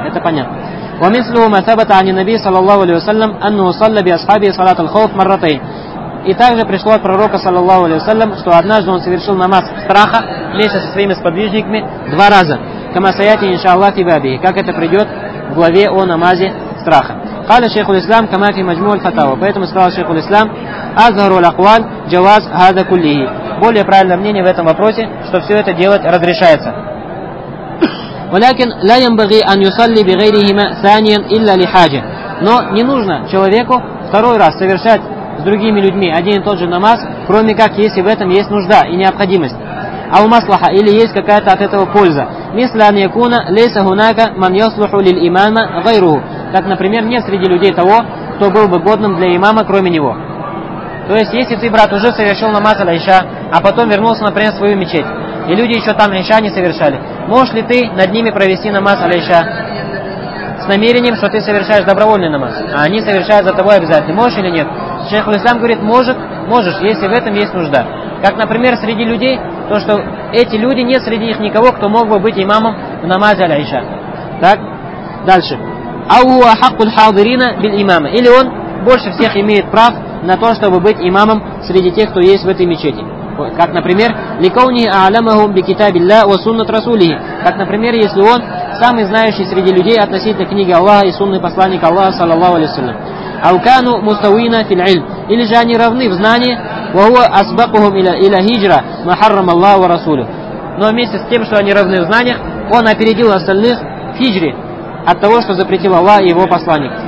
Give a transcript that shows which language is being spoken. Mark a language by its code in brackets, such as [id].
[ru] Это понятно. [ar] وَمِثْلُهُ مَا ثَبَتَ عَنِ النَّبِيِّ صَلَى اللَّهُ عَلَيْهُ وَسَلَّمْ أَنُّهُ صَلَّى بِأَصْحَابِهِ صَلَاةَ الْخَوْفِ مَرَّتَيْنِ. [ru] И также пришло от пророка, саллаллаху алейхи ва саллям, что однажды он совершил намаз страха вместе со своими сподвижниками два раза. [ar] كَمَا سَيَاتِ إِنْ شَاءَ اللَّهِ بِأَبِهِ. [ru] Как это придет в главе о намазе страха. [ar] قَالَ شَيْخُ الْإِسْلَامِ كَمَا فِي مَجْمُوعِ الْفَتَاوَى. [ru] Поэтому сказал шейх ул-Ислам, [ar] أَظْهَرُ الْأَقْوَالِ جَوَازُ هَذَا كُلِّهِ. [ru] Более правильное мнение в этом вопросе, что все это делать разрешается. [ar] ولكن لا ينبغي أن يصلي بغيرهما ثانيا إلا لحاجة. [ru] Но не нужно человеку второй раз совершать с другими людьми один и тот же намаз, кроме как если в этом есть нужда и необходимость. А у маслаха или есть какая-то от этого польза. [ar] مثل أن يكون ليس هناك من يصلح للإمام غيره. [ru] Как, например, нет среди людей того, кто был бы годным для имама, кроме него. То есть, если ты, брат, уже совершил намаз аль-иша, а потом вернулся, например, в свою мечеть, и люди еще там иша не совершали, можешь ли ты над ними провести намаз аль-иша с намерением, что ты совершаешь добровольный намаз, а они совершают за тобой обязательно? Можешь или нет? Шейх ул-Ислам говорит, может, можешь, если в этом есть нужда. Как, например, среди людей, то, что эти люди, нет среди них никого, кто мог бы быть имамом в намазе аль-иша. Так? Дальше. [ar] أَوْهُ أَحَقُّ الْحَاضِرِينَ بِالْإِمَامَ. [ru] Или он больше всех имеет прав на то, чтобы быть имамом среди тех, кто есть в этой мечети. Как, например, [ar] لِكَوْنِهِ أَعْلَمَهُمْ بِكِتَابِ اللَّهِ وَسُنَّةِ رَسُولِهِ. [ru] Как, например, если он самый знающий среди людей относительно книги Аллаха и сунны посланника Аллаха, саллаллаху алейхи ва саллям. [ar] أَوْ كَانُوا مُسْتَوِينَ فِي الْعِلْمِ. [ru] Или же они равны в знании. [ar] وَهُوَ أَسْبَقُهُمْ إِلَى هِجْرَ مَا حَرَّمَ اللَّهُ وَرَسُولُهُ. [ru] Но вместе с тем, что они равны в знаниях, он опередил остальных в хиджре от того, что запретил Аллах и его посланник.